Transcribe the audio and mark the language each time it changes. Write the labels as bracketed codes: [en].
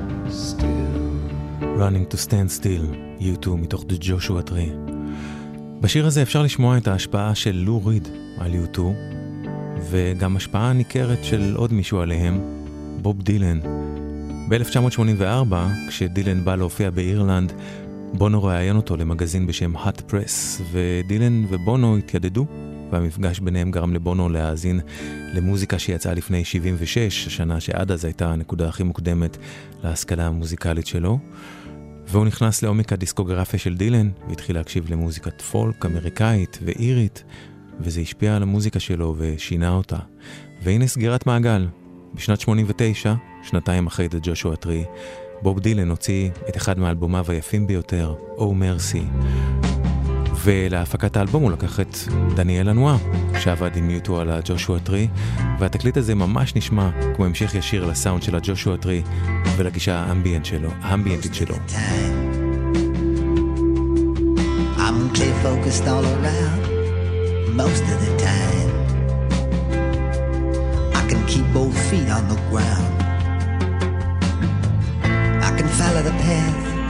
[he] Stand Still, You Two, מתוך The Joshua Tree. בשיר הזה אפשר לשמוע את ההשפעה של לו ריד על You Two, וגם השפעה ניכרת של עוד מישהו עליהם, בוב דילן. ב-1984, כשדילן בא להופיע באירלנד, בונו ראיין אותו למגזין בשם Hot Press, ודילן ובונו התיידדו, והמפגש ביניהם גרם לבונו להאזין למוזיקה שיצאה לפני 76, השנה שעד אז הייתה הנקודה הכי מוקדמת להשכלה המוזיקלית שלו. והוא נכנס לעומק הדיסקוגרפיה של דילן, והתחיל להקשיב למוזיקת פולק אמריקאית ואירית, וזה השפיע על המוזיקה שלו ושינה אותה. והנה סגירת מעגל. בשנת 89, שנתיים אחרי דה ג'ושו הטרי, בוב דילן הוציא את אחד מאלבומיו היפים ביותר, Oh Mercy. ולהפקת האלבום הוא לקח את דניאל הנועה, שעבד עם יוטו על הג'ושו הטרי, והתקליט הזה ממש נשמע כמו המשך ישיר לסאונד של הג'ושו הטרי, ולגישה האמביאנט שלו, האמביאנטית שלו. [en] I'm clear focused all around most of the time. I can keep both feet on the ground. I can follow the path.